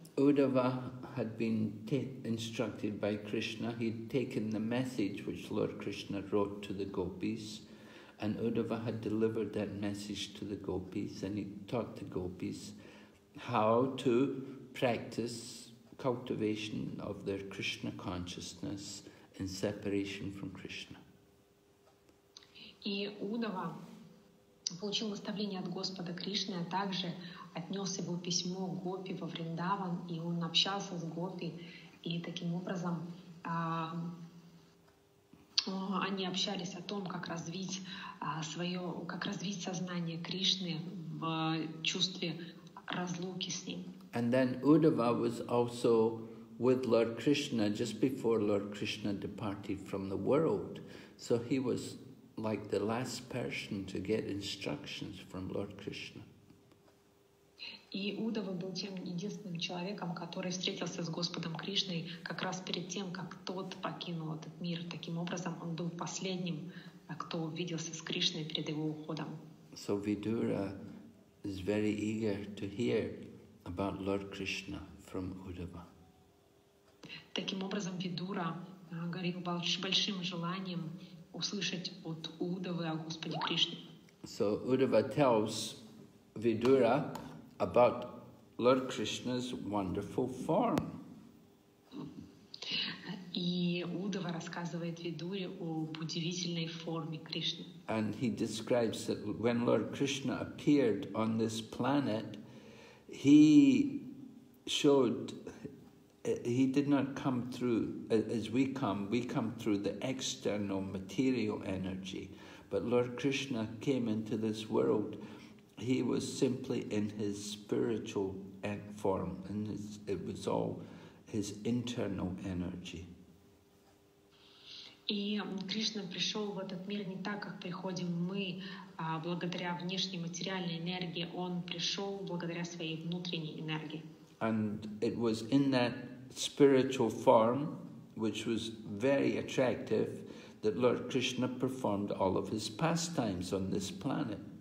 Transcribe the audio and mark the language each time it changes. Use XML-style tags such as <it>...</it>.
<en>Uddhava had been instructed by Krishna. He'd taken the message which Lord Krishna wrote to the gopis, and Uddhava had delivered that message to the gopis, and he taught the gopis how to practice cultivation of their Krishna consciousness and separation from Krishna.</en> <ru>И Уддава получил наставление от Господа Кришны, а также отнес его письмо Гопи во Вриндаван, и он общался с Гопи, и таким образом они общались о том, как развить свое, как развить сознание Кришны в чувстве разлуки с ним.</ru> <en>And then Uddhava was also with Lord Krishna just before Lord Krishna departed from the world. So he was like the last person to get instructions from Lord Krishna.</en> <ru>И Удава был тем единственным человеком, который встретился с Господом Кришной как раз перед тем, как тот покинул этот мир. Таким образом, он был последним, кто увиделся с Кришной перед его уходом.</ru> <en>So Vidura is very eager to hear about Lord Krishna from Udava.</en> <ru>Таким образом, Видура горел большим желанием услышать от Удавы о Господе Кришне.</ru> <en>So Udava tells Vidura about Lord Krishna's wonderful form.</en> <ru>И Удава рассказывает Видуре об удивительной форме Кришны.</ru> <en>And he describes that when Lord Krishna appeared on this planet, he showed, he did not come through as we come through the external material energy. But Lord Krishna came into this world, he was simply in his spiritual form, and it was all his internal energy.</en> <ru>И Кришна пришел в этот мир не так, как приходим мы, благодаря внешней материальной энергии. Он пришел благодаря своей внутренней энергии.</ru> <en>And it was in that spiritual form, which was very attractive, that Lord Krishna performed all of his pastimes on this planet.</en>